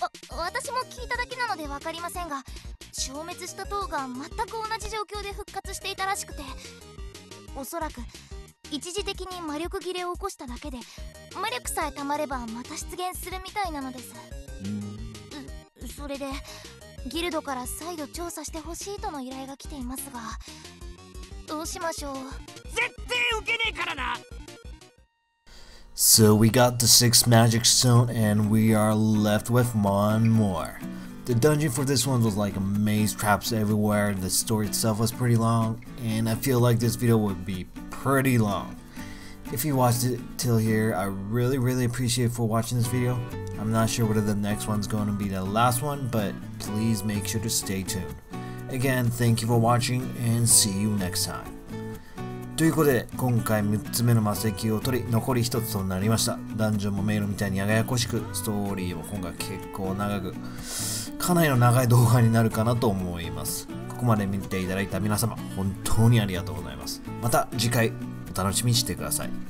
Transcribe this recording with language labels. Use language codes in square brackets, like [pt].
[ja] 私も聞いただけなので分かりませんが、消滅した塔が全く同じ状況で復活していたらしくて、おそらく一時的に魔力切れを起こしただけで、魔力さえ溜まればまた出現するみたいなのです。それでギルドから再度調査してほしいとの依頼が来ていますが、どうしましょう。絶対受けねえからな。 [en] So we got the 6 magic stone and we are left with one more. The dungeon for this one was like a maze, traps everywhere. The story itself was pretty long and I feel like this video would be pretty long. If you watched it till here, I really really appreciate for watching this video. I'm not sure whether the next one's going to be the last one, but please make sure to stay tuned. Again, thank you for watching and see you next time. [ja] ということで、今回6つ目の魔石を取り、残り1つとなりました。ダンジョンも迷路みたいにややこしく、ストーリーも今回結構長く、かなりの長い動画になるかなと思います。ここまで見ていただいた皆様、本当にありがとうございます。また次回、お楽しみにしてください。